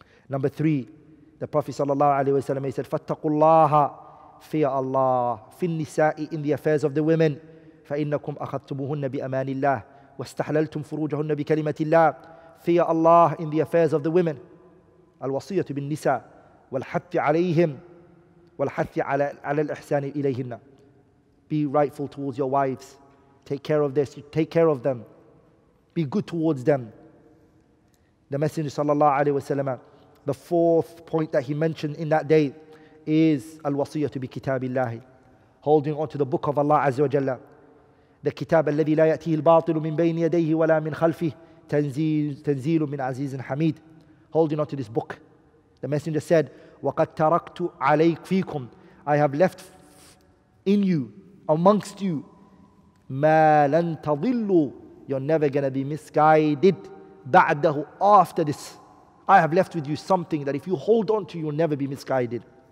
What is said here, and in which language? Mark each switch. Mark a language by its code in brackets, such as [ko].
[en] Number three, the Prophet sallallahu alaihi wasallam said, [ar] فَاتَّقُوا اللَّهَ [en] Fear Allah. [ar] فِي النِّسَاءِ [en] In the affairs of the women. [ar] فَإِنَّكُمْ أَخَذْتُمُهُنَّ بِأَمَانِ اللَّهِ وَاسْتَحْلَلْتُمْ فُرُوجَهُنَّ بِكَلِمَةِ اللَّهِ [en] Fear Allah in the affairs of the women. [ar] الْوَصِيَّةُ بِالنِّسَاءِ وَالْحَثِّ عَلَيْهِمْ وَالْحَثِّ عَلَى الْإِحْسَانِ إِلَيْهِنَّ [en] Be rightful towards your wives. Take care of this. Take care of them. Be good towards them. The Messenger sallallahu alayhi wa sallam, the fourth point that he mentioned in that day is [ar] الْوَصِيَّةُ بِكِتَابِ اللَّهِ [en] Holding on to the book of Allah Azza wa Jalla. [ar] The kitab الَّذِي لَا يَأْتِيهِ الْبَاطِلُ مِنْ بَيْنِ يَدَيْهِ وَلَا مِنْ خَلْفِهِ تَنْزِيلُ مِنْ عَزِيزٍ حَمِيدٍ [en] Holding on to this book. The Messenger said, [ar] وَقَدْ تَرَكْتُ عَلَيْكُ فِيكُمْ [en] I have left in you, amongst you, [ar] مَا لَنْ تَضِلُّ [en] You're never going to be misguided [ar] بَعْدَهُ [en] After this, I have left with you something that if you hold on to, you'll never be misguided.